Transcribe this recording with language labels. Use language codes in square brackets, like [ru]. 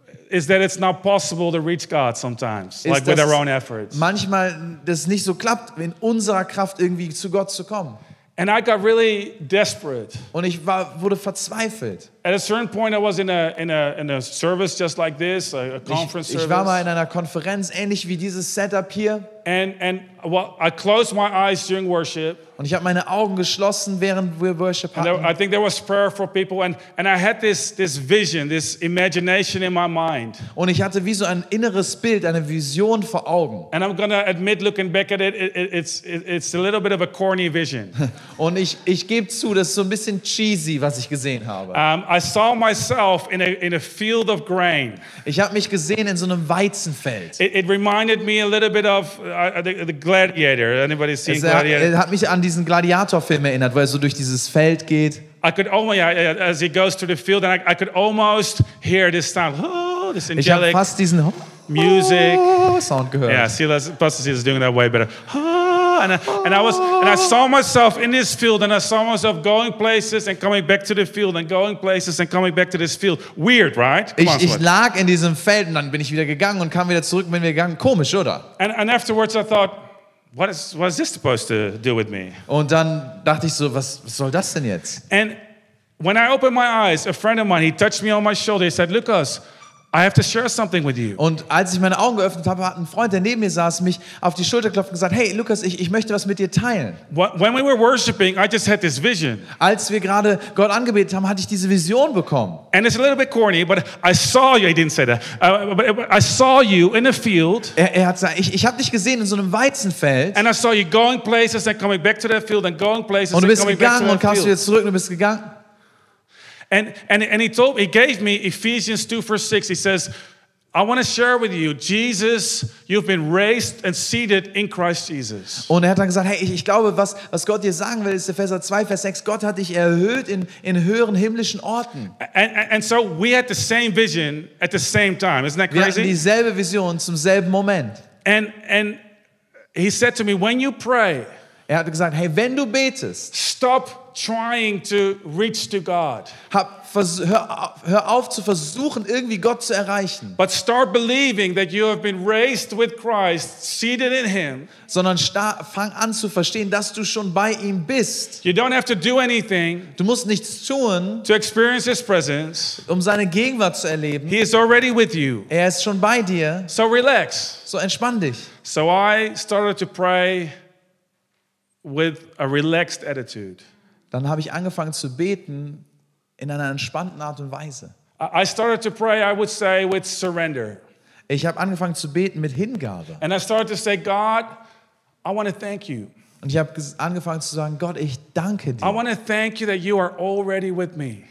[en] is that it's not possible to reach God sometimes, like with our own efforts. [de] Manchmal das nicht so klappt, in unserer Kraft irgendwie zu Gott zu kommen. [en] And I got really desperate. [de] Und ich wurde verzweifelt. [en] At a certain point, I was in a service just like this, a conference service. [de] Ich war mal in einer Konferenz, ähnlich wie dieses Setup hier. [en] And I closed my eyes during worship. [de] Und ich habe meine Augen geschlossen, während wir Worship hatten. [en] And I think there was prayer for people, and I had this vision, this imagination in my mind. [de] Und ich hatte wie so ein inneres Bild, eine Vision vor Augen. [en] And I'm gonna admit, looking back at it's a little bit of a corny vision. [de] Und ich gebe zu, das ist so ein bisschen cheesy, was ich gesehen habe. [en] I saw myself in a field of grain. [de] Ich habe mich gesehen in so einem Weizenfeld. [en] It reminded me a little bit of the Gladiator. Anybody seen Gladiator? [de] Es hat mich an diesen Gladiator-Film erinnert, wo er so durch dieses Feld geht. [en] I could almost, as he goes through the field, and I could almost hear this sound. This angelic. [de] Ich habe fast diesen [en] Music. [de] Sound gehört. [en] Yeah, Pastor is doing that way better. And I saw myself in this field, and I saw myself going places and coming back to the field, and going places and coming back to this field. Weird, right? [de] Ich lag in diesem Feld, und dann bin ich wieder gegangen und kam wieder zurück, bin wieder gegangen. Komisch, oder? [en] And afterwards, I thought, what is this supposed to do with me? [de] Und dann dachte ich so, was soll das denn jetzt? [en] And when I opened my eyes, a friend of mine, he touched me on my shoulder. He said, Lukas, I have to share something with you. [de] Und als ich meine Augen geöffnet habe, hat ein Freund, der neben mir saß, mich auf die Schulter geklopft und gesagt: Hey, Lukas, ich möchte was mit dir teilen. [en] When we were worshiping, I just had this vision. [de] Als wir gerade Gott angebetet haben, hatte ich diese Vision bekommen. [en] And it's a little bit corny, but I saw you. He didn't say that. But I saw you in a field. [de] Er hat gesagt: Ich habe dich gesehen in so einem Weizenfeld. [en] And I saw you going places and coming back to that field and going places. [de] Und du bist gegangen und kamst wieder zurück. Und du bist gegangen. [en] And he gave me Ephesians 2 verse 6. He says, I want to share with you, Jesus, you've been raised and seated in Christ Jesus. [de] Und er hat dann gesagt, hey, ich glaube, was Gott dir sagen will, ist Epheser 2 Vers 6. Gott hat dich erhöht in höheren himmlischen Orten. [en] And so we had the same vision at the same time. Isn't that crazy? [de] Wir hatten dieselbe Vision zum selben Moment. [en] And he said to me, when you pray, [de] er hat gesagt, hey, wenn du betest, [en] stop trying to reach to God. [de] Hör auf zu versuchen, irgendwie Gott zu erreichen. [en] But start believing that you have been raised with Christ, seated in Him. [de] Sondern fang an zu verstehen, dass du schon bei ihm bist. [en] You don't have to do anything. [de] Du musst nichts tun. [en] To experience His presence. [de] Um seine Gegenwart zu erleben. [en] He is already with you. [de] Er ist schon bei dir. [en] So relax. [de] So entspann dich. [en] So I started to pray with a relaxed attitude. [de] Dann habe ich angefangen zu beten in einer entspannten Art und Weise. [en] I started to pray, I would say, with surrender. [de] Ich habe angefangen zu beten mit Hingabe. [en] And I started to say, God, I want to thank you. [de] Und ich habe angefangen zu sagen, Gott, ich danke dir. [en] I want to thank you that you are already with me.